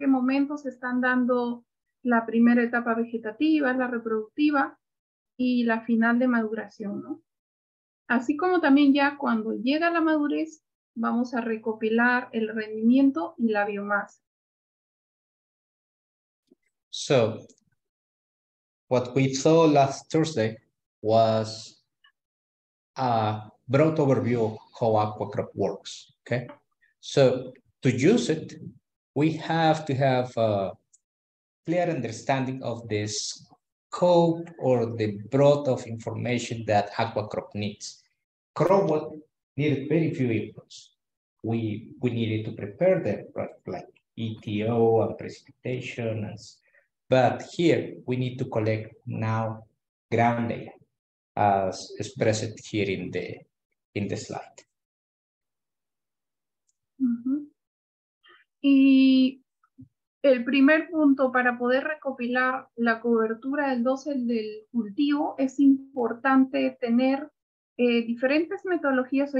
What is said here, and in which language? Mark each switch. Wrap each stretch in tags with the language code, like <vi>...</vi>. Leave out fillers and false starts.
<es>En qué momento se están dando la primera etapa vegetativa, la reproductiva y la final de maduración, ¿no? Así como también ya cuando llega la madurez, vamos a recopilar el rendimiento y la biomasa.</es> <en>So, what we saw last Thursday was a broad overview of how Aquacrop works. Okay, so to use it, we have to have a clear understanding of the scope or the breadth of information that Aquacrop needs. Crop needed very few inputs. We needed to prepare them, right? Like ETO and precipitation and. But here we need to collect now ground data as expressed here in the slide.</en> <es>Y el primer punto para poder recopilar la cobertura del dosel del cultivo es importante tener diferentes metodologías.</es>